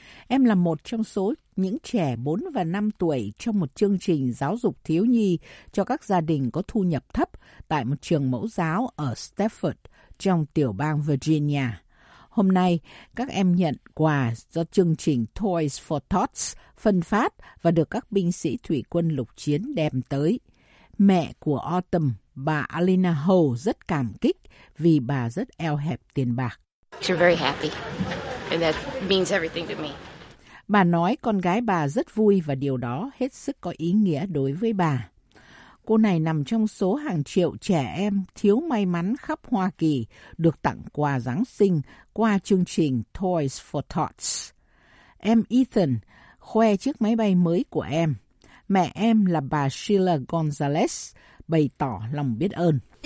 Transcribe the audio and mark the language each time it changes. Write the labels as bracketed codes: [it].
[vi] Em là một trong số những trẻ 4 và 5 tuổi trong một chương trình giáo dục thiếu nhi cho các gia đình có thu nhập thấp tại một trường mẫu giáo ở Stafford trong tiểu bang Virginia. Hôm nay, các em nhận quà do chương trình Toys for Tots phân phát và được các binh sĩ thủy quân lục chiến đem tới. Mẹ của Autumn, bà Alina Ho, rất cảm kích vì bà rất eo hẹp tiền bạc. [en] She's very happy, and that means everything to me. [vi] Bà nói con gái bà rất vui và điều đó hết sức có ý nghĩa đối với bà. Cô này nằm trong số hàng triệu trẻ em thiếu may mắn khắp Hoa Kỳ được tặng quà Giáng sinh qua chương trình Toys for Tots. Em Ethan khoe chiếc máy bay mới của em. Mẹ em là bà Sheila Gonzalez bày tỏ lòng biết ơn.